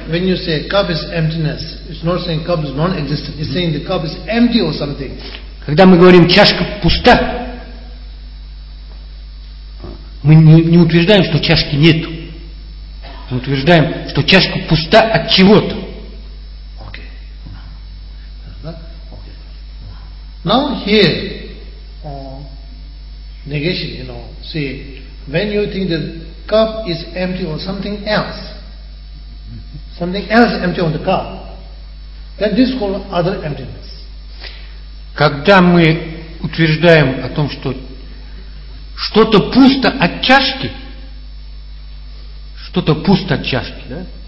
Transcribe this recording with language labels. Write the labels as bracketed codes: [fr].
[en] When you say cup is emptiness, it's not saying cup is non-existent. It's saying the cup is empty or something. [ru] Когда мы говорим чашка пуста, мы не утверждаем, что чашки нету. Мы утверждаем, что чашка пуста от чего-то. [en] Okay. Okay. Now here, negation, See, when you think that cup is empty or something else empty on the cup, then this is called other emptiness. [ru] Когда мы утверждаем о том, что что-то пусто от чашки, что-то пусто от чашки, да?